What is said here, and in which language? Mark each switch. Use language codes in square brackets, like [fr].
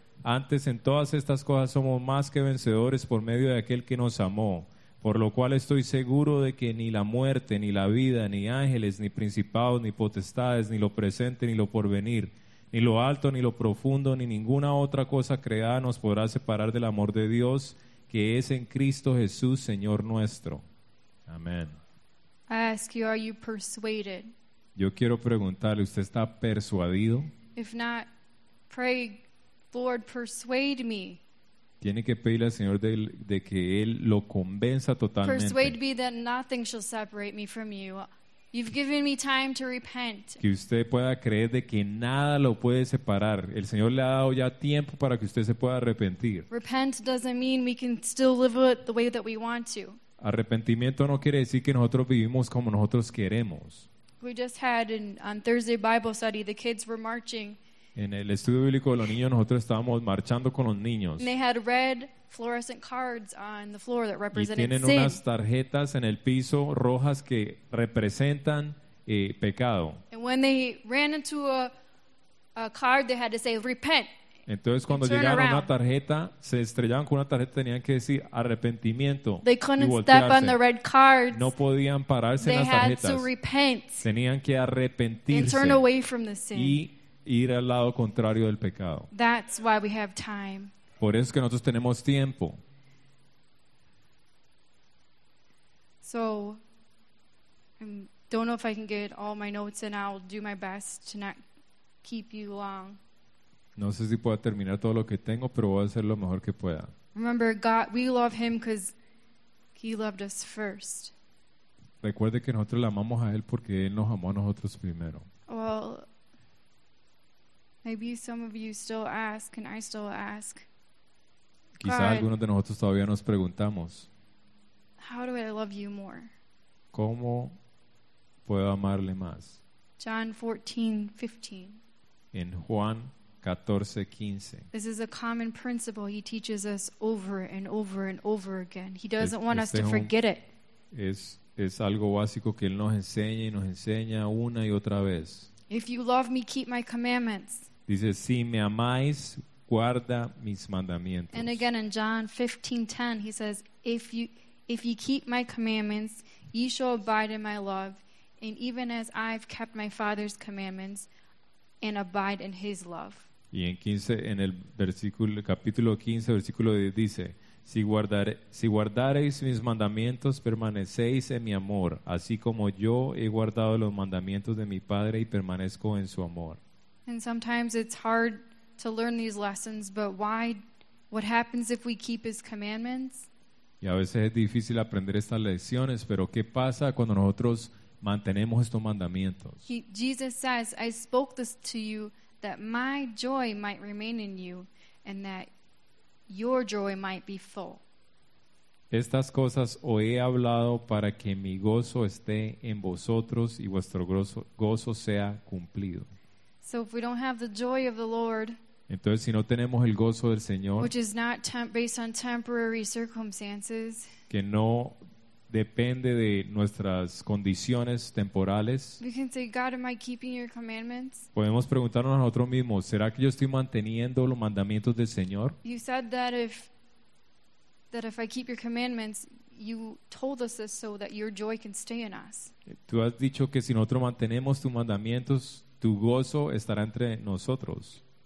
[es] Antes en todas estas cosas somos más que vencedores por medio de aquel que nos amó, por lo cual estoy seguro de que ni la muerte, ni la vida, ni ángeles, ni principados, ni potestades, ni lo presente, ni lo porvenir, ni lo alto, ni lo profundo, ni ninguna otra cosa creada nos podrá separar del amor de Dios que es en Cristo Jesús, Señor nuestro. Amén. [en] I ask you, are you persuaded? [es] Yo quiero preguntarle, ¿usted está persuadido? [en] If not, pray, Lord, persuade me. [es] Tiene que pedirle al Señor de que Él lo convenza totalmente. [en] Persuade me that nothing shall separate me from you. You've given me time to repent. [es] Que usted pueda creer de que nada lo puede separar. El Señor le ha dado ya tiempo para que usted se pueda arrepentir. [en] Repent doesn't mean we can still live it the way that we want to. [es] Arrepentimiento no quiere decir que nosotros vivimos como nosotros queremos. [en] We just had on Thursday Bible study, the kids were marching. [es] En el estudio bíblico de los niños, nosotros estábamos marchando con los niños. [en] And they had red fluorescent cards on the floor that represented sin. [es] Y tienen unas tarjetas en el piso rojas que representan pecado. [en] And when they ran into a card, they had to say, repent. [es] Entonces, cuando llegaron a una tarjeta, se estrellaban con una tarjeta, tenían que decir arrepentimiento. [en] They couldn't step on the red cards. [es] No podían pararse en las tarjetas. [en] They had to repent. [es] Tenían que arrepentirse. [en] And turn away from the sin. [es] Y ir al lado contrario del pecado. [en] That's why we have time. [es] Por eso es que nosotros tenemos tiempo. [en] So, I don't know if I can get all my notes and I'll do my best to not keep you long. [es] No sé si pueda terminar todo lo que tengo, pero voy a hacer lo mejor que pueda. [en] Remember, God, we love Him because He loved us first. [es] Recuerde que nosotros le amamos a Él porque Él nos amó a nosotros primero. [en] Well, maybe some of you still ask, and I still ask. [es] Quizás [en] God, [es] algunos de nosotros todavía nos preguntamos. [en] How do I love you more? [es] ¿Cómo puedo amarle más? [en] John 14:15. [es] En Juan 14:15. [en] This is a common principle He teaches us over and over and over again. He doesn't want us to forget it. [es] Es es algo básico que Él nos enseña y nos enseña una y otra vez. [en] If you love me, keep my commandments. [es] Dice, si me amáis, guarda mis mandamientos. [en] And again in John 15:10, he says, if you keep my commandments, ye shall abide in my love, and even as I've kept my Father's commandments and abide in his love. [es] Y en el capítulo 15, versículo 10 dice, si guardareis mis mandamientos, permanecéis en mi amor, así como yo he guardado los mandamientos de mi Padre y permanezco en su amor. [en] And sometimes it's hard to learn these lessons, but why? What happens if we keep his commandments? [es] Y a veces es difícil aprender estas lecciones, pero ¿qué pasa cuando nosotros mantenemos estos mandamientos? [en] Jesus says, I spoke this to you that my joy might remain in you and that your joy might be full. [es] Estas cosas os he hablado para que mi gozo esté en vosotros y vuestro gozo sea cumplido. [en] So if we don't have the joy of the Lord, [es] entonces si no tenemos el gozo del Señor, [en] which is not based on temporary circumstances, [es] que no depende de nuestras condiciones temporales, [en] we can say, God, am I keeping your commandments? [es] Podemos preguntarnos a nosotros mismos, ¿será que yo estoy manteniendo los mandamientos del Señor? [en] You said that if I keep your commandments, you told us this so that your joy can stay in us. [es] Tú has dicho que si nosotros mantenemos tus mandamientos, tu gozo estará entre nosotros.